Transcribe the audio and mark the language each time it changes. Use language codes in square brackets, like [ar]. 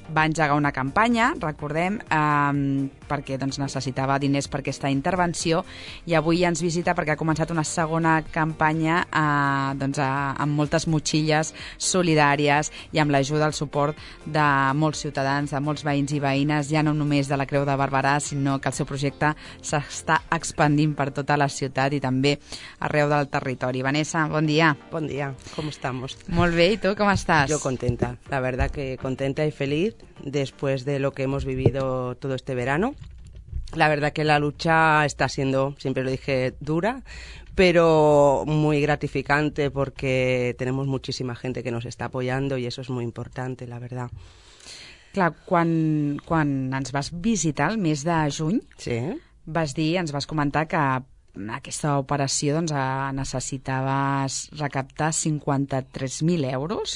[ca] Va engegar una campanya, recordem, perquè doncs, necessitava diners per aquesta intervenció i avui ens visita perquè ha començat una segona campanya amb moltes motxilles solidàries i amb l'ajuda i el suport de molts ciutadans, de molts veïns i veïnes, ja no només de la Creu de Barberà, sinó que el seu projecte s'està expandint per tota la ciutat i també arreu del territori. Vanessa, bon dia. Bon dia, com estamos? Molt bé, i tu com estàs? [es] Jo contenta, la verdad que contenta y feliz después de lo que hemos vivido todo este verano. La verdad que la lucha está siendo, siempre lo dije, dura, pero muy gratificante porque tenemos muchísima gente que nos está apoyando y eso es muy importante, la verdad. [ca] Clar, quan ens vas visitar el mes de juny, sí, vas dir, ens vas comentar que aquesta operació doncs, necessitaves recaptar 53.000 euros.